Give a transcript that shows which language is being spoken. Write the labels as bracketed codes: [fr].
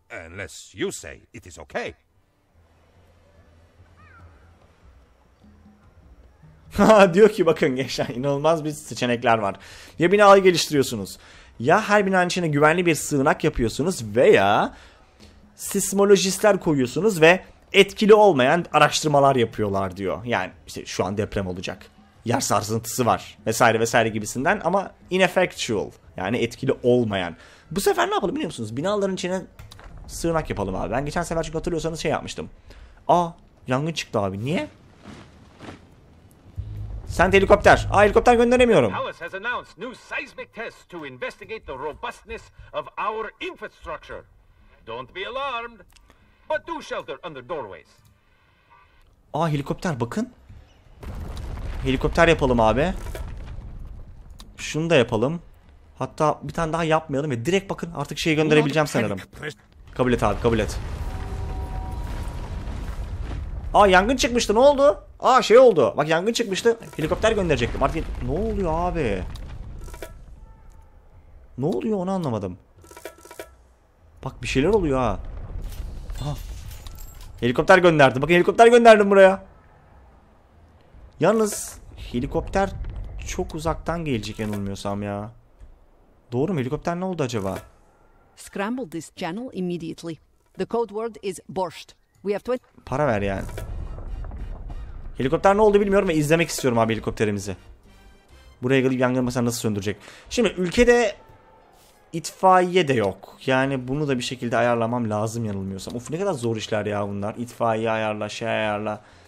[en] Unless you say it is okay. [tr] Diyor ki bakın gençler, inanılmaz bir seçenekler var. Ya binayı geliştiriyorsunuz, ya her binanın içine güvenli bir sığınak yapıyorsunuz veya sismolojistler koyuyorsunuz ve etkili olmayan araştırmalar yapıyorlar diyor. Yani işte şu an deprem olacak, yer sarsıntısı var vesaire vesaire gibisinden, ama ineffectual, yani etkili olmayan. Bu sefer ne yapalım biliyor musunuz? Binaların içine sığınak yapalım abi. Ben geçen sefer çünkü hatırlıyorsanız şey yapmıştım. Aa, yangın çıktı abi, niye? Sen de helikopter. Aa, helikopter gönderemiyorum. [en] Palace has announced new seismic tests to investigate the robustness of our infrastructure. Don't be alarmed, but do shelter under doorways. [tr] Aa, helikopter bakın. Helikopter yapalım abi. Şunu da yapalım. Hatta bir tane daha yapmayalım ve direkt bakın artık şeyi gönderebileceğim sanırım. Kabul et abi, kabul et. Aa, yangın çıkmıştı, ne oldu? Aa, şey oldu. Bak yangın çıkmıştı. Helikopter gönderecektim. Artık ne oluyor abi? Ne oluyor onu anlamadım. Bak bir şeyler oluyor ha. Aa, helikopter gönderdim. Bakın helikopter gönderdim buraya. Yalnız helikopter çok uzaktan gelecek yanılmıyorsam ya. Doğru mu? Helikopter ne oldu acaba? [en] Scramble this channel immediately. The code word is borscht. We have to wait. [tr] Para ver yani. Helikopter ne oldu bilmiyorum ve izlemek istiyorum abi helikopterimizi. Buraya gelip yangını mesela nasıl söndürecek? Şimdi ülkede itfaiye de yok. Yani bunu da bir şekilde ayarlamam lazım yanılmıyorsam. Of, ne kadar zor işler ya bunlar. İtfaiye ayarla, şey ayarla.